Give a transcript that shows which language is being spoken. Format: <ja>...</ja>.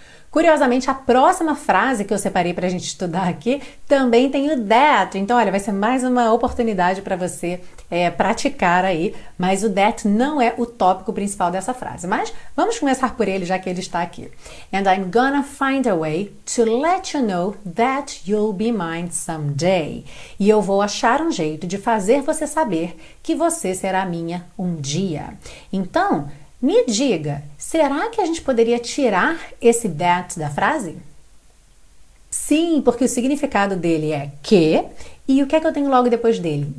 <pt>Curiosamente, a próxima frase que eu separei para a gente estudar aqui também tem o that. Então, olha, vai ser mais uma oportunidade para você praticar aí. Mas o that não é o tópico principal dessa frase. Mas vamos começar por ele, já que ele está aqui.</pt> <en>And I'm gonna find a way to let you know that you'll be mine someday.</en> <pt>E eu vou achar um jeito de fazer você saber que você será minha um dia. Então, me diga, será que a gente poderia tirar esse that da frase? Sim, porque o significado dele é que, e o que é que eu tenho logo depois dele?</pt>